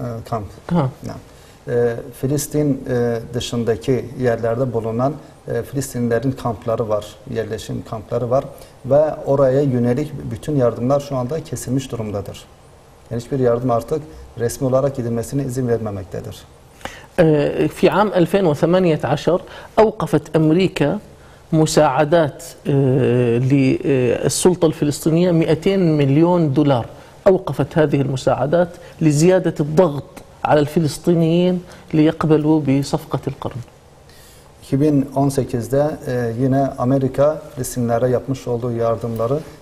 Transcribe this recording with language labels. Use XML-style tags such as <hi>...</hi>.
<ar>كامب نعم فلسطين</ar> <tr>dışındaki yerlerde bulunan Filistinlilerin kampları var, yerleşim kampları var ve oraya yönelik bütün yardımlar şu anda kesilmiş durumdadır. Yani hiçbir yardım artık resmi olarak gidilmesine izin vermemektedir.</tr> <ar>في عام 2018 أوقفت أمريكا مساعدات للسلطة الفلسطينية 200 مليون دولار أوقفت هذه المساعدات لزيادة الضغط على الفلسطينيين ليقبلوا بصفقة القرن.</ar> <tr>2018'de yine Amerika Filistinlilere yapmış olduğu yardımları</tr>